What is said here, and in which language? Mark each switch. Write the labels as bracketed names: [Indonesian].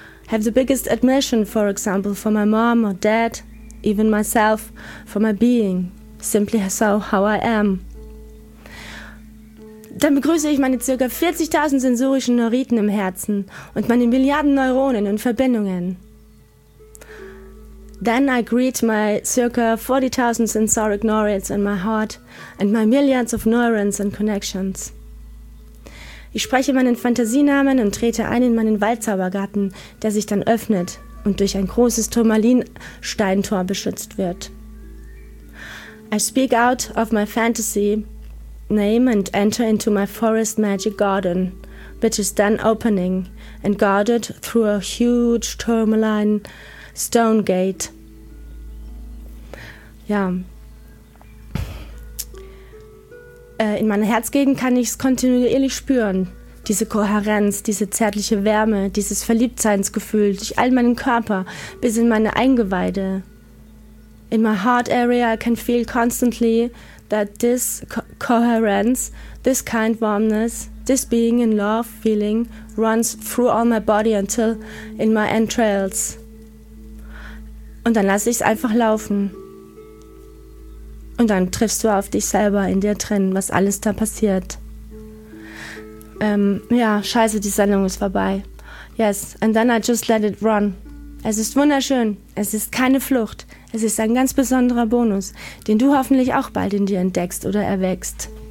[English] Have the biggest admission, for example, for my mom or dad, even myself, for my being, simply so how I am. [German] Dann begrüße ich meine ca. 40.000 sensorischen Neuriten im Herzen und meine Milliarden Neuronen und Verbindungen. [English] Then I greet my ca. 40.000 sensoric neurons in my heart and my millions of neurons and connections. [German] Ich spreche meinen Fantasienamen und trete ein in meinen Waldzaubergarten, der sich dann öffnet und durch ein großes Turmalinsteintor beschützt wird. [English] I speak out of my fantasy name and enter into my forest magic garden, which is then opening and guarded through a huge tourmaline stone gate. [German] Ja. In meiner Herzgegend kann ich es kontinuierlich spüren, diese Kohärenz, diese zärtliche Wärme, dieses Verliebtseinsgefühl durch all meinen Körper bis in meine Eingeweide. [English] In my heart area I can feel constantly that this coherence, this kind warmness, this being in love feeling runs through all my body until in my entrails. [German] Und dann lasse ich es einfach laufen. Und dann triffst du auf dich selber in dir drin, was alles da passiert. Scheiße, die Sendung ist vorbei. [English] Yes, and then I just let it run. [German] Es ist wunderschön. Es ist keine Flucht. Es ist ein ganz besonderer Bonus, den du hoffentlich auch bald in dir entdeckst oder erwächst.